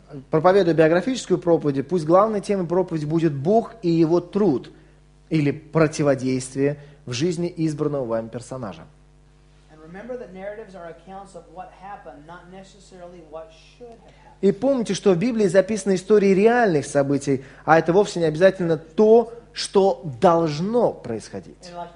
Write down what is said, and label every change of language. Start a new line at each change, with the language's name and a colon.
Russian: Проповедуя биографическую проповедь, пусть главной темой проповеди будет Бог и Его труд или противодействие в жизни избранного вами персонажа.
English: And remember that narratives are accounts of what happened, not necessarily what should happen.
Russian: И помните, что в Библии записаны истории реальных событий, а это вовсе не обязательно то, что должно происходить.